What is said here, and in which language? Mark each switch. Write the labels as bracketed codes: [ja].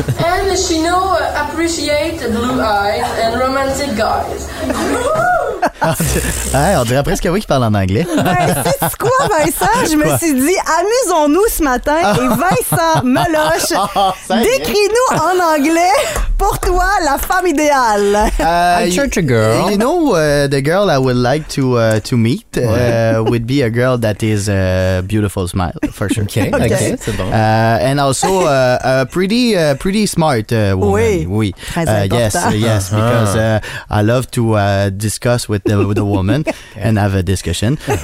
[en] And she know appreciate blue eyes and romantic guys. [fr] Hey, on dirait presque oui qu'il parle en anglais. Ben, sais-tu quoi, Vincent? Je me suis dit, amusons-nous ce matin. Et Vincent Meloche, décris-nous en anglais pour toi la femme idéale. [en] I'm such a girl. You know, the girl I would like to meet would be a girl that is a beautiful smile, for sure. [fr] Okay, okay. Okay. C'est bon. [en] And also a pretty smart woman. [fr] Oui. Très important. [en] Yes, because I love to discuss with the woman and have a discussion.